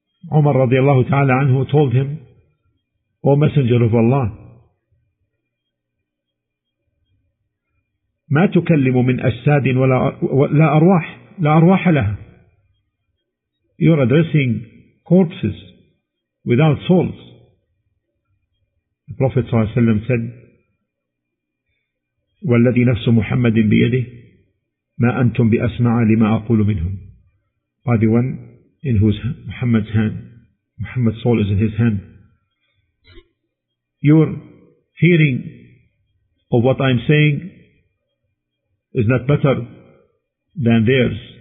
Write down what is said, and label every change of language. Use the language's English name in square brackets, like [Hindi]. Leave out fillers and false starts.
[English] Umar radiallahu ta'ala anhu told him, "O Messenger of Allah, [Arabic] ما تكلم من أجساد ولا أرواح لا أرواح لها." [English] You are addressing corpses without souls. [Arabic] The Prophet صلى الله عليه وسلم said, "والذي نفس محمد بيده ما أنتم بأسمع لما أقول منهم." [English] By the one in whose Muhammad's hand, Muhammad's soul is in his hand, your hearing of what I'm saying is not better than theirs.